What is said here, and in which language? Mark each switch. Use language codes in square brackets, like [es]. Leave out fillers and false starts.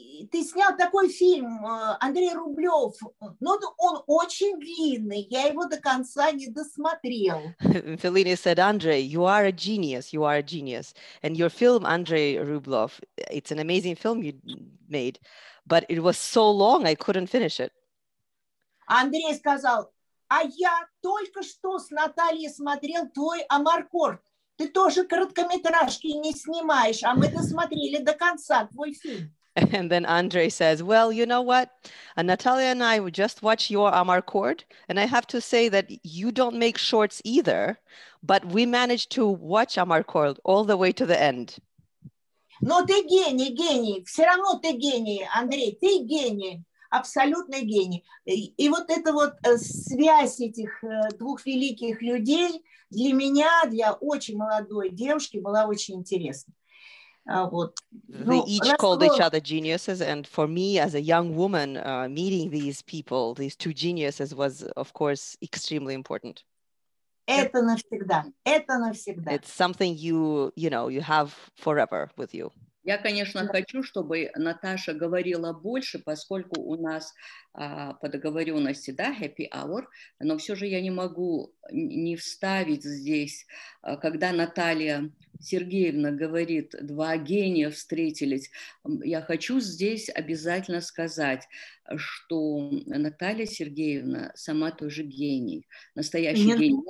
[ru] Ты снял такой фильм, Андрей Рублев, но он очень длинный, я его до конца не досмотрел. [en] Феллини said, Андрей, you are a genius, you are a genius. And your film, Андрей Рублев, it's an amazing film you made, but it was so long, I couldn't finish it. [ru] Андрей сказал, а я только что с Натальей смотрел твой Амаркорд. Ты тоже короткометражки не снимаешь, а мы досмотрели до конца твой фильм. [en] And then Andre says, well, you know what? Natalia and I just watched your Amarcord. And I have to say that you don't make shorts either, but we managed to watch Amarcord all the way to the end. [ru] Но ты гений, гений. Все равно ты гений, Андрей. Ты гений. Абсолютный гений. И вот эта вот связь этих двух великих людей для меня, для очень молодой девушки, была очень интересна. [en] They each called each other geniuses, and for me as a young woman, meeting these people, these two geniuses, was of course extremely important. [ru] Это навсегда. Это навсегда. [en] It's something you know, you have forever with you. [ru] Я, конечно, хочу, чтобы Наташа говорила больше, поскольку у нас по договоренности, да, [en] happy hour, [ru] но все же я не могу не вставить здесь, когда Наталья Сергеевна говорит, два гения встретились, я хочу здесь обязательно сказать, что Наталья Сергеевна сама тоже гений, настоящий гений.